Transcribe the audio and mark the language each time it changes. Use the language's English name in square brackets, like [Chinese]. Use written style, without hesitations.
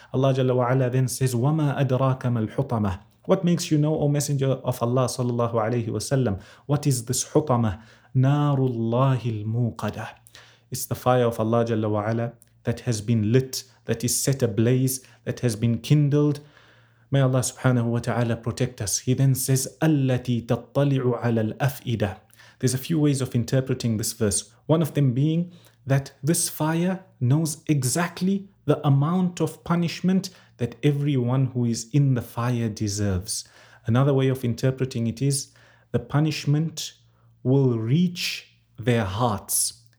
[English] Allah Jalla wa Ala then says, [Arabic] وَمَا أَدْرَاكَ مَا الْحُطَمَةِ. [English] What makes you know, O Messenger of Allah sallallahu alayhi wa sallam, what is this Hutamah? [Arabic] نَارُ اللَّهِ الْمُوقَدَةِ. [English] It's the fire of Allah Jalla wa Ala that has been lit, that is set ablaze, that has been kindled. May Allah subhanahu wa ta'ala protect us. He then says, [Arabic] أَلَّتِي تَطَّلِعُ عَلَى الْأَفْئِدَةِ. [English] There's a few ways of interpreting this verse. One of them being that this fire knows exactly the amount of punishment that everyone who is in the fire deserves. Another way of interpreting it is the punishment will reach their hearts.